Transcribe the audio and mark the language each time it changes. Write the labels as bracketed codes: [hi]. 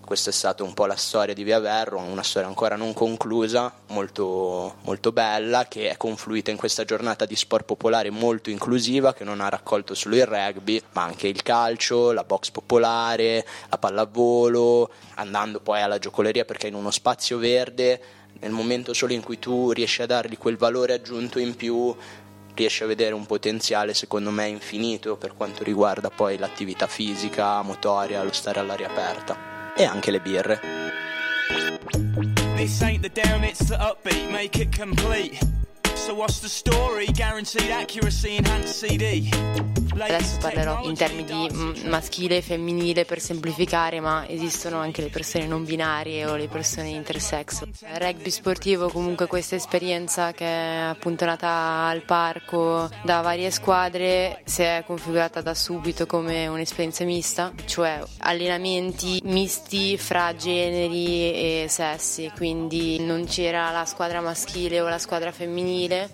[it] Questa è stata un po' la storia di Via Verro, una storia ancora non conclusa, molto, molto bella, che è confluita in questa giornata di sport popolare molto inclusiva, che non ha raccolto solo il rugby ma anche il calcio, la box popolare, la pallavolo, andando poi alla giocoleria, perché in uno spazio verde, nel momento solo in cui tu riesci a dargli quel valore aggiunto in più, riesci a vedere un potenziale secondo me infinito per quanto riguarda poi l'attività fisica, motoria, lo stare all'aria aperta e anche le birre. [en] This ain't the down, it's the upbeat, make it complete. So what's the story? Guaranteed accuracy enhanced CD. [it] Adesso parlerò in termini di maschile e femminile per semplificare, ma esistono anche le persone non binarie o le persone intersex. Rugby sportivo, comunque questa esperienza che è appunto nata al parco da varie squadre, si è configurata da subito come un'esperienza mista, cioè allenamenti misti fra generi e sessi, quindi non c'era la squadra maschile o la squadra femminile.